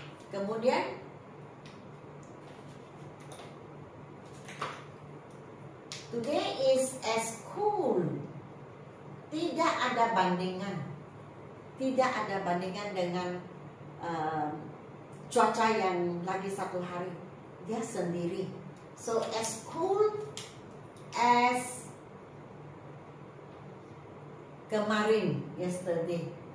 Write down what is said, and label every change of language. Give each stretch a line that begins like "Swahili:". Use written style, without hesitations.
Malay: Kemudian
English: today is as cool.
Malay: Tidak ada bandingan. Tidak ada bandingan dengan cuaca yang lagi satu hari. Dia sendiri.
English: So as cool as
Malay: kemarin,
English: yesterday.